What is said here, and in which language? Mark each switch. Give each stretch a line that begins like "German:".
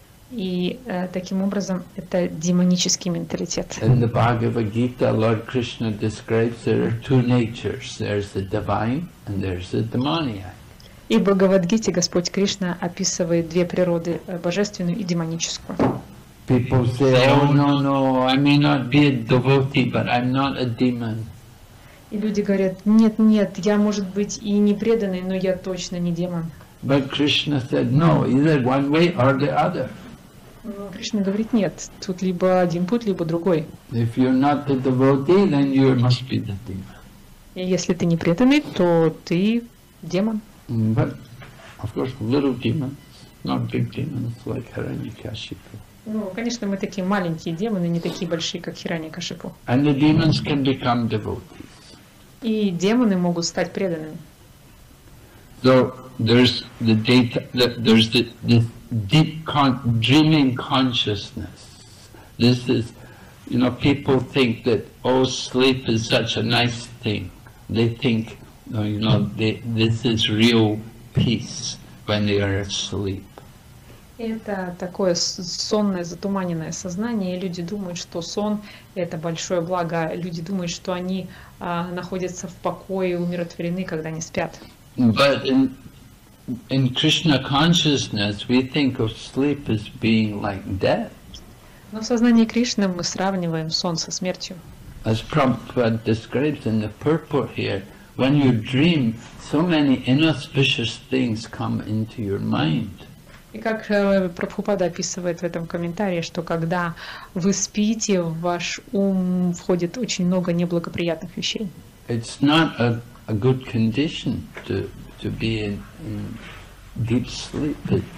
Russian: И таким образом, это демонический менталитет.
English: In the Bhagavad Gita, Lord Krishna describes there are two natures. There's the divine and there's the demoniac.
Russian: И в Бхагавадгите Господь Кришна описывает две природы, божественную и демоническую.
English: People say, oh, no, no, I may not be a devotee, but I'm not a demon.
Russian: И люди говорят, нет, нет, я, может быть, и не преданный, но я точно не демон.
English: But Krishna said, no, either one way or the other.
Russian: Но Кришна говорит, нет, тут либо один путь, либо другой.
English: If you're not a devotee, then you must be the demon.
Russian: И если ты не преданный, то ты демон.
English: But, of course, little demons, not big demons, like Hiranyakashipu.
Russian: Ну, конечно, мы такие маленькие демоны, не такие большие, как Хираньякашипу.
English: And the demons can become devotees.
Russian: И демоны могут стать преданными.
English: So there's the data, there's this deep dreaming consciousness. This is, you know, people think that oh, sleep is such a nice thing. They think, you know, this is real peace when they are asleep.
Russian: Это такое сонное, затуманенное сознание, и люди думают, что сон – это большое благо. Люди думают, что они находятся в покое, умиротворены, когда они спят.
English: But in Krishna consciousness, we think of sleep as being like death.
Russian: Но в сознании Кришны мы сравниваем сон со смертью.
English: As Prabhupada describes in the purport here, when you dream, so many inauspicious things come into your mind.
Russian: И как Прабхупада описывает в этом комментарии, что когда вы спите, в ваш ум входит очень много неблагоприятных вещей.
English: It's not a good condition to be in deep sleep.